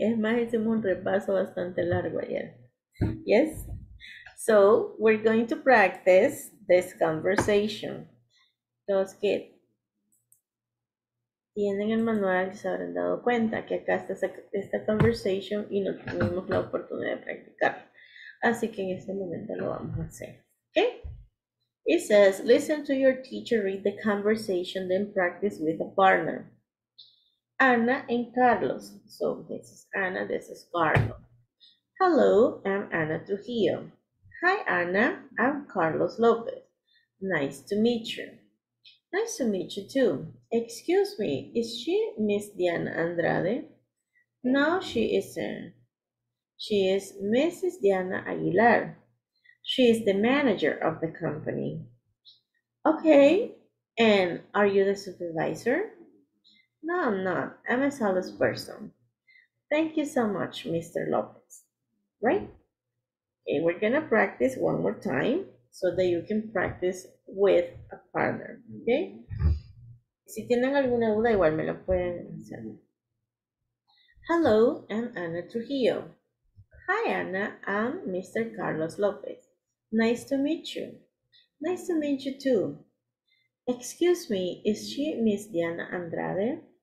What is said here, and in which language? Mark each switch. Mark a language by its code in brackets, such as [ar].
[es] Es más, hicimos un repaso bastante largo ayer. [en] Yes, so we're going to practice this conversation. [es] Entonces, ¿qué? tienen el manual, se habrán dado cuenta que acá está esta conversation y no tuvimos la oportunidad de practicar. Así que en este momento lo vamos a hacer. [en] Okay? It says, listen to your teacher read the conversation, then practice with a partner. Ana and Carlos. So this is Ana, this is Carlos. Hello, I'm Ana Trujillo. Hi, Ana. I'm Carlos Lopez. Nice to meet you. Nice to meet you too. Excuse me, is she Miss Diana Andrade? No, she isn't. She is Mrs. Diana Aguilar. She is the manager of the company. Okay, and are you the supervisor? No, I'm not. I'm a salesperson. Thank you so much, Mr. Lopez. Right? Okay, we're gonna practice one more time so that you can practice with a partner, okay? [es] Si tienen alguna duda, igual me lo pueden hacer. [en] Hello, I'm Ana Trujillo. Hi, Ana. I'm Mr. Carlos Lopez. Nice to meet you. Nice to meet you too. Excuse me, is she Miss Diana Andrade?